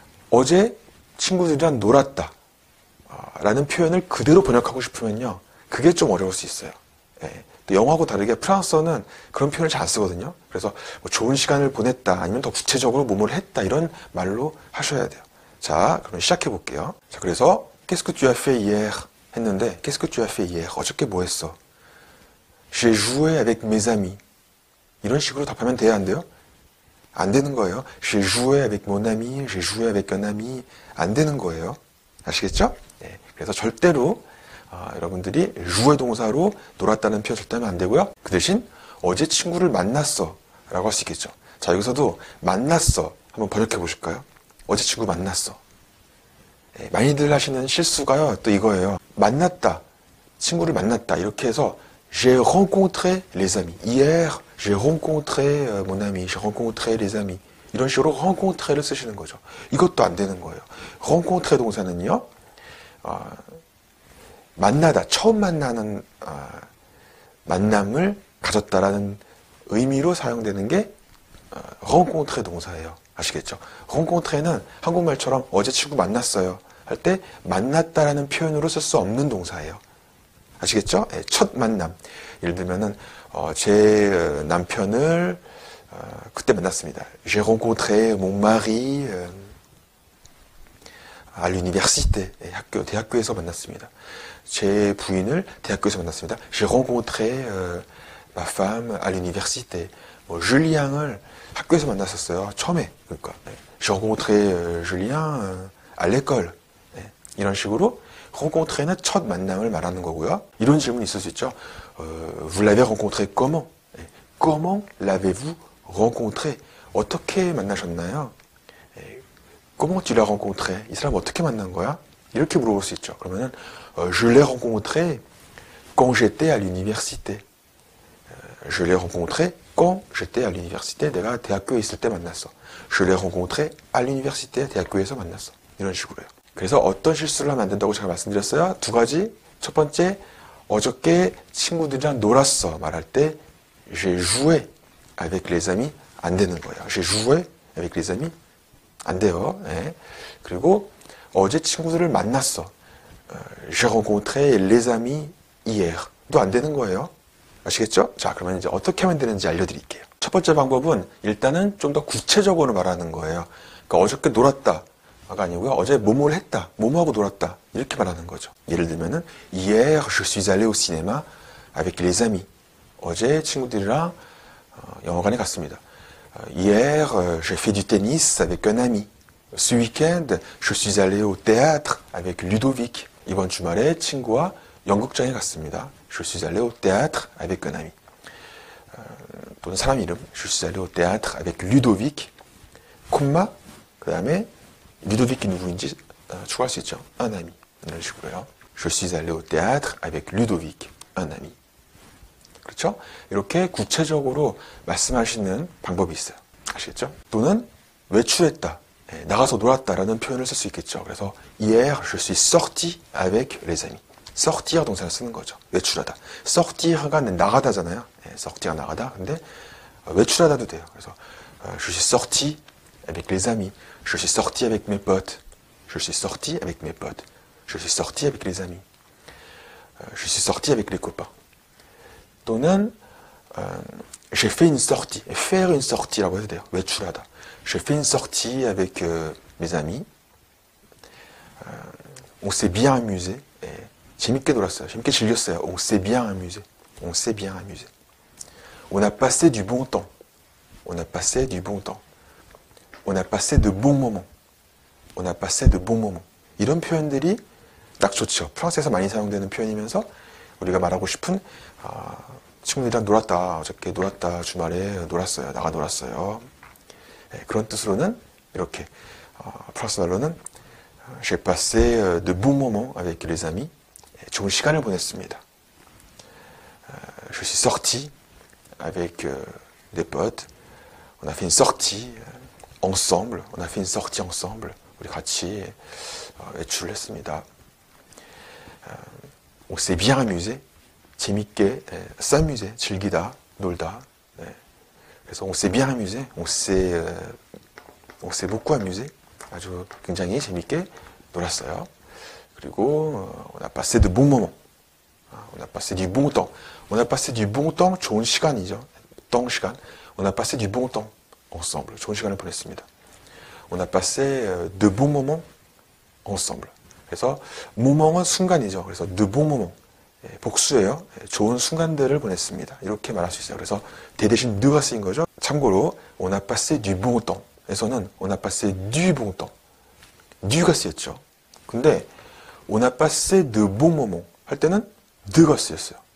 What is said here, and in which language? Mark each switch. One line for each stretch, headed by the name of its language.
Korean: 어제 친구들이랑 놀았다, 라는 표현을 그대로 번역하고 싶으면요. 그게 좀 어려울 수 있어요. 예. 영어하고 다르게 프랑스어는 그런 표현을 잘안 쓰거든요. 그래서 뭐 좋은 시간을 보냈다, 아니면 더 구체적으로 뭐뭐를 했다, 이런 말로 하셔야 돼요. 자, 그럼 시작해 볼게요. 자, 그래서
French: Qu'est-ce que tu as fait hier?
Korean: 했는데,
French: qu'est-ce que tu as fait hier?
Korean: 어저께 뭐 했어?
French: J'ai joué avec mes amis.
Korean: 이런 식으로 답하면 돼야 안 돼요? 안 되는 거예요.
French: J'ai joué avec mon ami. J'ai joué avec un ami.
Korean: 안 되는 거예요. 아시겠죠? 네. 그래서 절대로 여러분들이 jouer 동사로 놀았다는 표현을 쓰면 안 되고요. 그 대신 어제 친구를 만났어 라고 할수 있겠죠. 자, 여기서도 만났어 한번 번역해 보실까요? 어제 친구 만났어. 네, 많이들 하시는 실수가요. 또 이거예요. 만났다. 친구를 만났다. 이렇게 해서
French: J'ai rencontré les amis. Hier, j'ai rencontré mon ami. J'ai rencontré les amis.
Korean: 이런 식으로 rencontré를 쓰시는 거죠. 이것도 안 되는 거예요. rencontré 동사는요. 만나다. 처음 만나는 만남을 가졌다라는 의미로 사용되는 게 rencontré 동사예요. 아시겠죠? rencontré는 한국말처럼 어제 친구 만났어요 할 때 만났다라는 표현으로 쓸 수 없는 동사예요. 아시겠죠? 네, 첫 만남. 예를 들면은 제 남편을 그때 만났습니다.
French: J'ai rencontré mon mari à l'université.
Korean: 네, 학교 대학교에서 만났습니다. 제 부인을 대학교에서 만났습니다.
French: J'ai rencontré ma femme à l'université.
Korean: 뭐 줄리앙을 학교에서 만났었어요. 처음에. 그러니까. 네.
French: J'ai rencontré Julien à l'école.
Korean: 네, 이런 식으로 rencontré는 첫 만남을 말하는 거고요. 이런 질문이 있을 수 있죠.
French: Vous l'avez rencontré comment? Comment l'avez-vous rencontré?
Korean: 어떻게 만나셨나요?
French: Comment tu l'as rencontré?
Korean: 이 사람 어떻게 만난 거야? 이렇게 물어볼 수 있죠. 그러면은,
French: je l'ai rencontré quand j'étais à l'université. Je l'ai rencontré quand j'étais à l'université.
Korean: 내가 대학교에 있을 때 만났어.
French: Je l'ai rencontré à l'université,
Korean: 대학교에서 만났어. 이런 식으로요. 그래서 어떤 실수를 하면 안 된다고 제가 말씀드렸어요. 두 가지. 첫 번째, 어저께 친구들이랑 놀았어 말할 때
French: J'ai joué avec les amis.
Korean: 안 되는 거예요.
French: J'ai joué avec les amis.
Korean: 안 돼요. 네. 그리고 어제 친구들을 만났어.
French: J'ai rencontré les amis hier.
Korean: 또 안 되는 거예요. 아시겠죠? 자, 그러면 이제 어떻게 하면 되는지 알려드릴게요. 첫 번째 방법은 일단은 좀 더 구체적으로 말하는 거예요. 그러니까 어저께 놀았다. 아니고요. 어제 뭐뭐를 했다. 뭐뭐하고 놀았다. 이렇게 말하는 거죠. 예를 들면은
French: Hier, je suis allé au cinéma avec les amis.
Korean: 어제 친구들이랑 영화관에 갔습니다.
French: Hier, j'ai fait du tennis avec un ami. Ce week-end, je suis allé au théâtre avec Ludovic.
Korean: 이번 주말에 친구와 연극장에 갔습니다.
French: Je suis allé au théâtre avec un ami.
Korean: 또는 사람 이름.
French: Je suis allé au théâtre avec Ludovic.
Korean: 콤마, 그 다음에 Ludovic이 누구인지 추가할 수 있죠.
French: Un ami.
Korean: 이런 식으로요.
French: Je suis allé au théâtre avec Ludovic. Un ami.
Korean: 그렇죠? 이렇게 구체적으로 말씀하시는 방법이 있어요. 아시겠죠? 또는 외출했다. 네, 나가서 놀았다라는 표현을 쓸 수 있겠죠. 그래서
French: Hier, je suis sorti avec les amis.
Korean: Sortir 동사를 쓰는 거죠. 외출하다. Sortir가 나가다잖아요. 네, sortir 나가다. 근데 외출하다도 돼요.
French: 그래서 Je suis sorti avec les amis. Je suis sorti avec mes potes. Je suis sorti avec mes potes. Je suis sorti avec les amis. Je suis sorti avec les copains. 또는 j'ai fait une sortie. Faire une sortie
Korean: 라고 해야 돼요. 외출하다.
French: J'ai fait une sortie avec mes amis. On s'est bien amusé.
Korean: 재밌게 놀았어요. 재밌게 즐겼어요.
French: On s'est bien amusé. On s'est bien amusé. On a passé du bon temps. On a passé du bon temps. On a passé de bons moments. On a passé de bons moments.
Korean: 이런 표현들이 딱 좋죠. 프랑스에서 많이 사용되는 표현이면서 우리가 말하고 싶은 친구들이랑 놀았다. 어저께 놀았다. 주말에 놀았어요. 나가 놀았어요. 네, 그런 뜻으로는 이렇게 프랑스 말로는
French: J'ai passé de bons moments avec les amis.
Korean: 네, 좋은 시간을 보냈습니다.
French: Je suis sorti avec des potes. On a fait une sortie. Ensemble, on a fait une sortie ensemble.
Korean: 우리 같이 외출을 했습니다.
French: On s'est bien amusé.
Korean: 재밌게, s'amuser, 즐기다, 놀다. 네.
French: 그래서 on s'est bien amusé. On s'est beaucoup amusé.
Korean: 아주 굉장히 재밌게 놀았어요.
French: 그리고 on a passé de bons moments. On a passé du bon temps. On a passé du bon temps,
Korean: 좋은 시간이죠.
French: temps,
Korean: 시간.
French: On a passé du bon temps. Ensemble.
Korean: 좋은 시간을 보냈습니다.
French: On a passé de bons moments ensemble.
Korean: 그래서 무몽은 순간이죠. 그래서 느부무몽. 복수예요. 좋은 순간들을 보냈습니다. 이렇게 말할 수 있어요. 그래서 대 대신 느가 쓰인 거죠. 참고로 오나파스 뉴붕우똥 에서는 오나파스 뉴붕우똥 뉴가 쓰였죠. 근데 오나파스 느부무몽 할 때는 느가 쓰였어요.